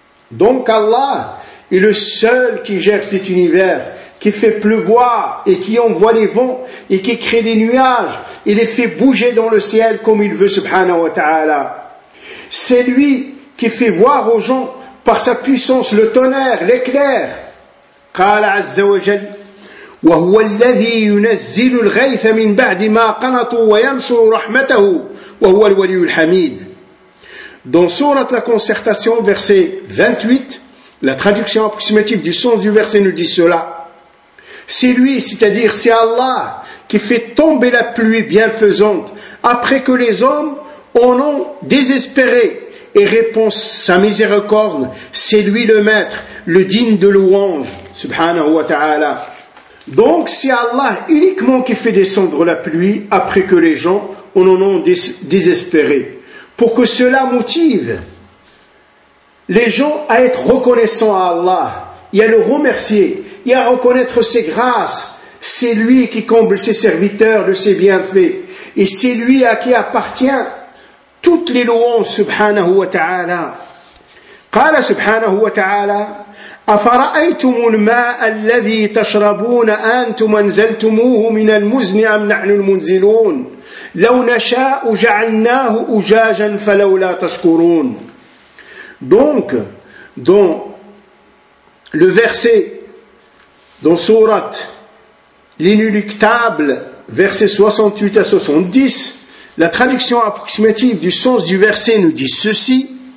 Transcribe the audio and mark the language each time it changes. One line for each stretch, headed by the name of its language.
French: Donc Allah est le seul qui gère cet univers, qui fait pleuvoir et qui envoie les vents et qui crée les nuages et les fait bouger dans le ciel comme il veut, subhanahu wa ta'ala. C'est lui qui fait voir aux gens par sa puissance le tonnerre, l'éclair.
Arabic: قال عز وجل وهو الذي ينزل الغيث من بعد ما قنطوا وينشر رحمته وهو الولي الحميد.
French: Dans Sourate la Concertation, verset 28, la traduction approximative du sens du verset nous dit cela. C'est lui, c'est-à-dire c'est Allah, qui fait tomber la pluie bienfaisante après que les hommes en ont désespéré et répond sa miséricorde. C'est lui le maître, le digne de louange, subhanahu wa ta'ala. Donc c'est Allah uniquement qui fait descendre la pluie après que les gens en ont désespéré, pour que cela motive les gens à être reconnaissants à Allah et à le remercier et à reconnaître ses grâces. C'est lui qui comble ses serviteurs de ses bienfaits et c'est lui à qui appartient toutes les louanges, subhanahu wa ta'ala.
Arabic: قال سبحانه وتعالى أفرأيتم الماء الذي تشربون أنتم أنزلتموه من المزن أم نحن المنزلون لو نشاء جعلناه أجاجا فلولا تشكرون.
French: Donc dans le verset, dans sourate l'inéluctable, verset 68 à 70, la traduction approximative du sens du verset nous dit ceci.